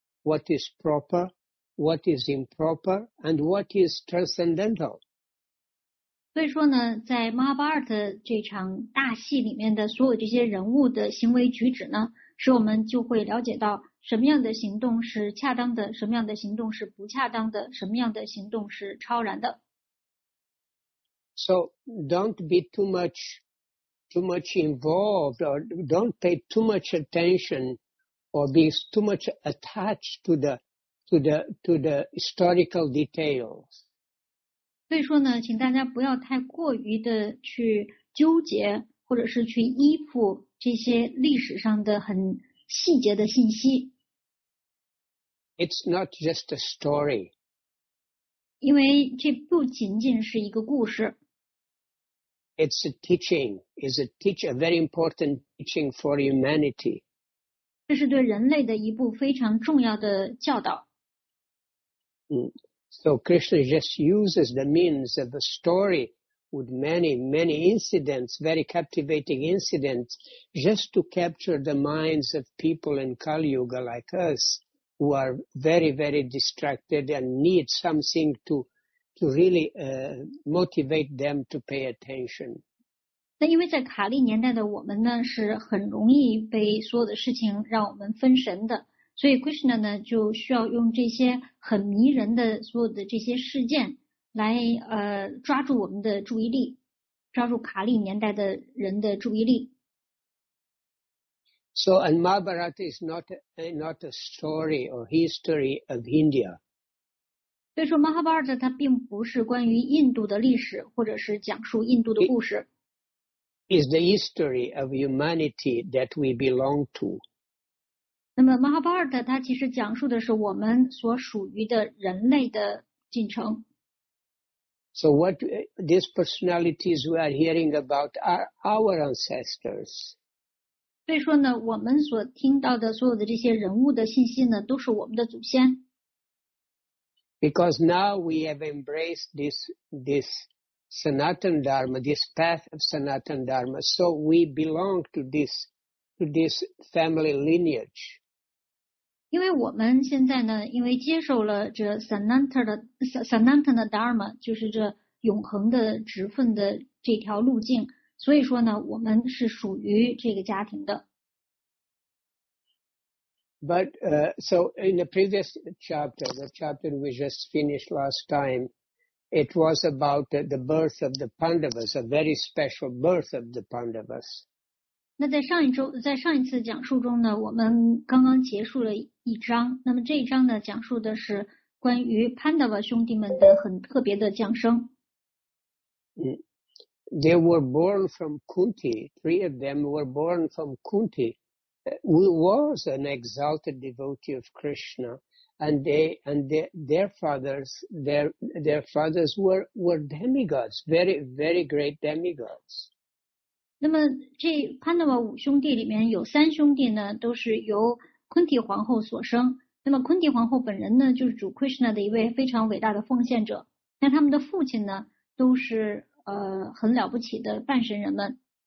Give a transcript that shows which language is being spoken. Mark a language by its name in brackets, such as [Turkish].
[English] what is proper, what is improper, and what is transcendental. [Chinese] 所以说呢，在 Mahabharata 这场大戏里面的所有这些人物的行为举止呢，使我们就会了解到什么样的行动是恰当的，什么样的行动是不恰当的，什么样的行动是超然的。 [English] So don't be too much involved, or don't pay too much attention, or be too much attached to the historical details. [Chinese] 所以说呢，请大家不要太过于的去纠结，或者是去依附这些历史上的很细节的信息。 [English] It's not just a story. [Chinese] 因为这不仅仅是一个故事。 [English] It's a teaching. It's a very important teaching for humanity. [Chinese] 这是对人类的一部非常重要的教导。 [English] So Krishna just uses the means of the story with many, many incidents, very captivating incidents, just to capture the minds of people in Kali Yuga like us, who are very, very distracted and need something to really motivate them to pay attention. [Chinese] 那因为在卡利年代的我们呢，是很容易被所有的事情让我们分神的，所以 Krishna 呢就需要用这些很迷人的所有的这些事件来抓住我们的注意力，抓住卡利年代的人的注意力。 [English] So, and Mahabharata is not a story or history of India. [Chinese] 所以说 Mahabharata 它并不是关于印度的历史，或者是讲述印度的故事。 [English] It is the history of humanity that we belong to. [Chinese] 那么 Mahabharata 它其实讲述的是我们所属于的人类的进程。 [English] So what these personalities we are hearing about are our ancestors. [Chinese] 所以说呢，我们所听到的所有的这些人物的信息呢，都是我们的祖先。 [English] Because now we have embraced this Sanatan Dharma, this path of Sanatan Dharma, so we belong to this family lineage. [Chinese] 因为我们现在呢，因为接受了这 Sanatana Dharma, 就是这永恒的直分的这条路径，所以说呢，我们是属于这个家庭的。 [English] But so in the previous chapter, the chapter we just finished last time, it was about the birth of the Pandavas, a very special birth of the Pandavas. [Chinese] 那在上一次讲述中呢，我们刚刚结束了一章。那么这一章呢，讲述的是关于 Pandava 兄弟们的很特别的降生。 [English] They were born from Kunti. Three of them were born from Kunti. Who was an exalted devotee of Krishna, and their fathers were demigods, very very great demigods. [Chinese] 那么这潘多瓦五兄弟里面有三兄弟呢，都是由昆蒂皇后所生。那么昆蒂皇后本人呢，就是主 Krishna 的一位非常伟大的奉献者。那他们的父亲呢，都是很了不起的半神人们。